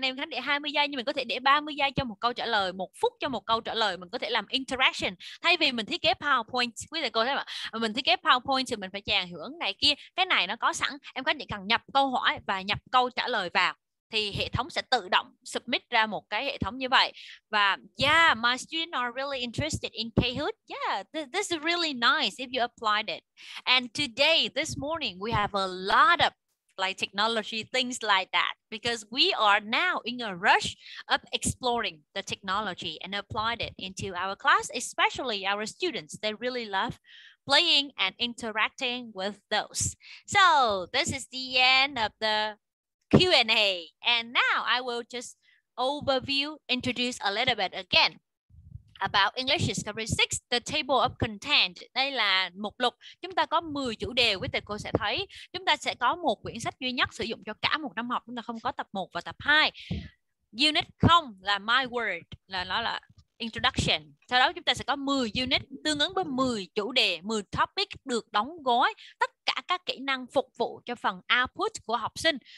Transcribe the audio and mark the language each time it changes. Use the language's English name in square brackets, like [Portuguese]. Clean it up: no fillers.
[Vietnamese] Em Khánh để 20 giây nhưng mình có thể để 30 giây cho một câu trả lời, 1 phút cho một câu trả lời. Mình có thể làm interaction thay vì mình thiết kế PowerPoint. Quý thầy cô thấy không ạ? Mình thiết kế PowerPoint thì mình phải chèn hiệu ứng này kia. Cái này nó có sẵn. Em Khánh chỉ cần nhập câu hỏi và nhập câu trả lời vào thì hệ thống sẽ tự động submit ra một cái hệ thống như vậy. [English] Và yeah, my students are really interested in Kahoot. Yeah, this is really nice if you applied it. And today, this morning, we have a lot of like technology things like that because we are now in a rush of exploring the technology and applied it into our class, especially our students. They really love playing and interacting with those. So this is the end of the Q&A. And now I will just overview, introduce a little bit again about English Discovery 6, the table of content. [Vietnamese] Đây là mục lục. Chúng ta có 10 chủ đề, quý thầy cô sẽ thấy. Chúng ta sẽ có một quyển sách duy nhất sử dụng cho cả một năm học. Chúng ta không có tập 1 và tập 2. Unit 0 là My Word, là nó là introduction. Sau đó chúng ta sẽ có 10 unit tương ứng với 10 chủ đề, 10 topic được đóng gói tất cả các kỹ năng phục vụ cho phần output của học sinh.